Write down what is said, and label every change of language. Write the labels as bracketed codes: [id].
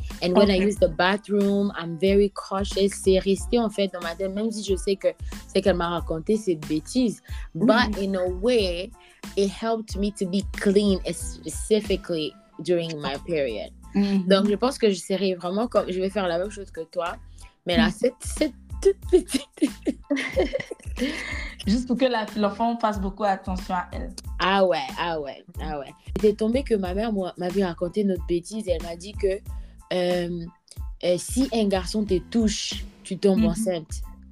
[en] And when I use the bathroom, I'm very cautious. [fr] C'est resté en fait dans ma tête, même si je sais que ce qu'elle m'a raconté, c'est bêtise. [en] But in a way, it helped me to be clean, specifically during my period. [fr] Donc, je pense que je serai vraiment comme... Je vais faire la même chose que toi. Mais là, cette petite... Juste pour que l'enfant fasse beaucoup attention à elle. Ah ouais. C'était tombé que ma mère m'avait raconté notre bêtise. Et elle m'a dit que si un garçon te touche, tu tombes enceinte.